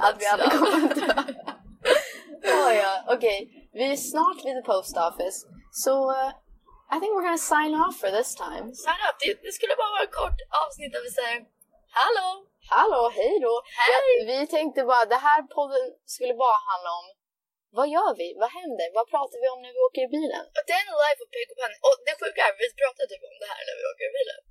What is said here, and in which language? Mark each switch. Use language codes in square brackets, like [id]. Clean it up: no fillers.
[sv] Att vi aldrig kommer att dö. Oh, ja. Okej. Vi är snart vid [en] the post office. So, I think we're going to sign off for this time. Sign off? [sv] Det skulle bara vara ett kort avsnitt där vi säger hallå. Hallå, hej då. Hej. Vi tänkte bara, det här podden skulle bara handla om, vad gör vi? Vad händer? Vad pratar vi om när vi åker i bilen? [en] But then life of pick up honey. [sv] Och det sjuka är, vi pratar typ om det här när vi åker i bilen.